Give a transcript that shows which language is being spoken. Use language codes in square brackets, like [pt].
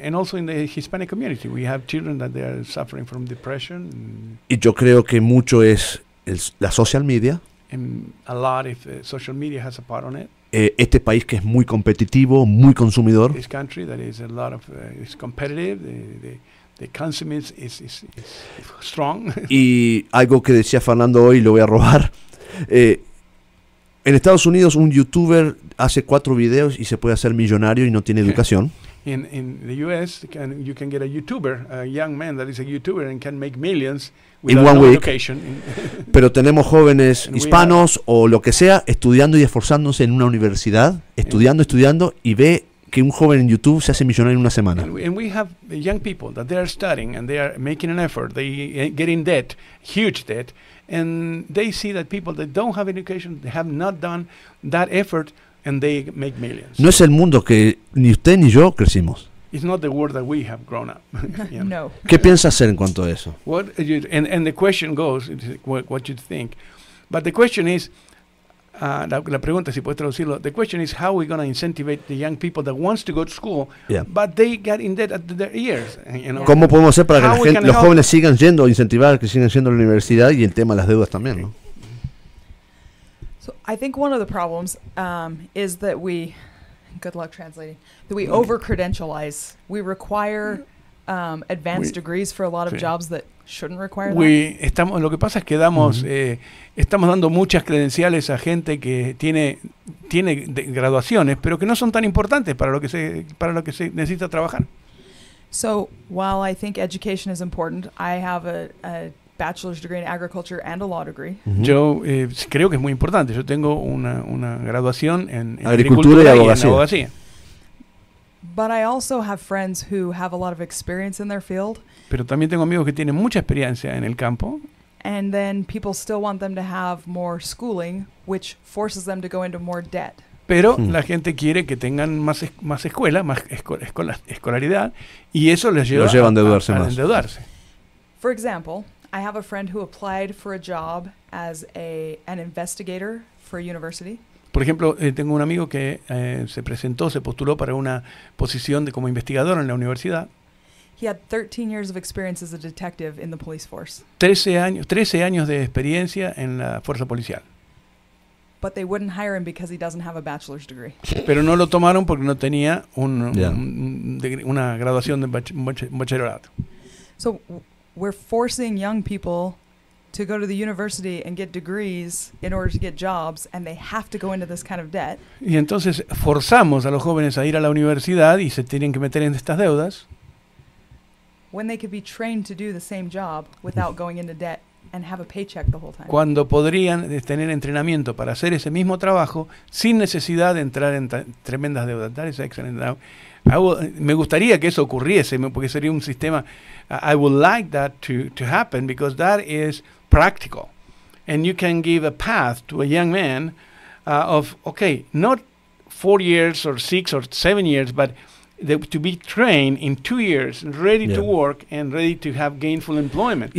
[en] And also in the Hispanic community, we have children that they are suffering from depression. [es] Y yo creo que mucho es la social media. [en] And a lot if social media has a part on it. [es] Este país que es muy competitivo, muy consumidor. [en] This country that is a lot of is competitive, the consumers is strong. [es] Y algo que decía Fernando hoy lo voy a robar. En Estados Unidos un youtuber hace 4 videos y se puede hacer millonario y no tiene educación. [en] In the U.S. you can get a youtuber, a young man that is a youtuber and can make millions without one week. Education. [es] Pero tenemos jóvenes hispanos o lo que sea estudiando y esforzándose en una universidad, estudiando y ve que un joven en YouTube se hace millonario en una semana. [en] And we have young people that they are studying and they are making an effort. They get in debt, huge debt, and they see that people that don't have education, they have not done that effort. And they make millions. [es] No es el mundo que ni usted ni yo crecimos. [en] It's not the world that we have grown up. [es] No. ¿Qué piensa hacer en cuanto a eso? [en] What the question goes, what you think. But the question is, [es] La pregunta, si puedes traducirlo. [en] The question is how are we going to incentivate the young people that wants to go to school, yeah, but they get in debt at their ears. You know? [es] ¿Cómo podemos hacer para que los jóvenes sigan yendo, incentivar que sigan yendo a la universidad y el tema de las deudas también, ¿no? [en] So I think one of the problems is that we, good luck translating, that we over-credentialize. We require advanced degrees for a lot of jobs that shouldn't require that. [es] Lo que pasa es que damos, estamos dando muchas credenciales a gente que tiene graduaciones, pero que no son tan importantes para lo que se necesita trabajar. [en] So while I think education is important, I have a bachelor's degree in agriculture and a law degree. [es] Mm-hmm. Yo creo que es muy importante. Yo tengo una graduación en agricultura y abogacía. [en] But I also have friends who have a lot of experience in their field. [es] Pero también tengo amigos que tienen mucha experiencia en el campo. [en] And then people still want them to have more schooling, which forces them to go into more debt. [es] Pero la gente quiere que tengan más escuela, más escolaridad, y eso les lleva a endeudarse. [en] For example, I have a friend who applied for a job as an investigator for a university. [es] Por ejemplo, tengo un amigo que se postuló para una posición de como investigador en la universidad. [en] He had 13 years of experience as a detective in the police force. [es] 13 años de experiencia en la fuerza policial. [en] But they wouldn't hire him because he doesn't have a bachelor's degree. [es] Pero no lo tomaron porque no tenía una graduación de bachillerato. [en] So we're forcing young people to go to the university and get degrees in order to get jobs, and they have to go into this kind of debt. [es] Y entonces forzamos a los jóvenes a ir a la universidad y se tienen que meter en estas deudas. [en] When they could be trained to do the same job without going into debt and have a paycheck the whole time. [es] Cuando podrían tener entrenamiento para hacer ese mismo trabajo sin necesidad de entrar en tremendas deudas. [en] That is excellent. [es] Me gustaría que eso ocurriese porque sería un sistema. [en] I would like that to happen because that is practical, and you can give a path to a young man not 4 years or 6 or 7 years, but to be trained in 2 years, ready to work and ready to have gainful employment.